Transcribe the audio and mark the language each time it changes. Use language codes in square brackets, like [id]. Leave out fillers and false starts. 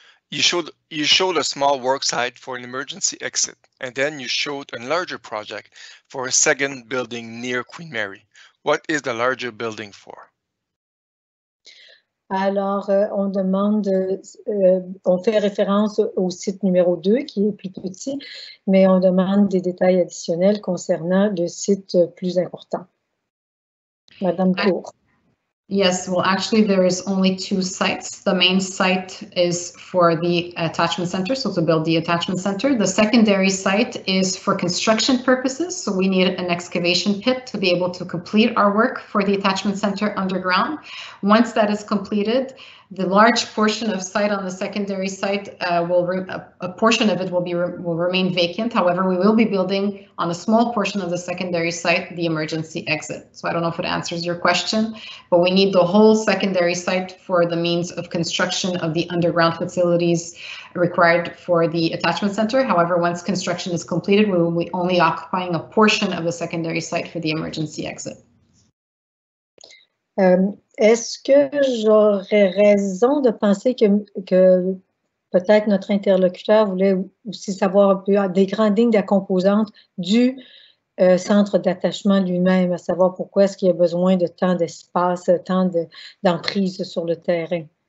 [en] You showed a small work site for an emergency exit, and then you showed a larger project for a second building near Queen Mary. What is the larger building for? [fr] Alors, on demande, on fait référence au site numéro 2 qui est plus petit, mais on demande des détails additionnels concernant le site plus important. Madame Cour. [en] Yes, well, actually, there is only two sites. The main site is for the attachment center, so to build the attachment center. The secondary site is for construction purposes, so we need an excavation pit to be able to complete our work for the attachment center underground. Once that is completed, The large portion of site on the secondary site will remain vacant. However, we will be building on a small portion of the secondary site the emergency exit. So I don't know if it answers your question, but we need the whole secondary site for the means of construction of the underground facilities required for the attachment center. However, once construction is completed, we will be only occupying a portion of the secondary site for the emergency exit. [fr] Est-ce que j'aurais raison de penser que peut-être notre interlocuteur voulait aussi savoir des grandes lignes de la composante du centre d'attachement lui-même, à savoir pourquoi est-ce qu'il y a besoin de tant d'espace, tant d'emprise sur le terrain?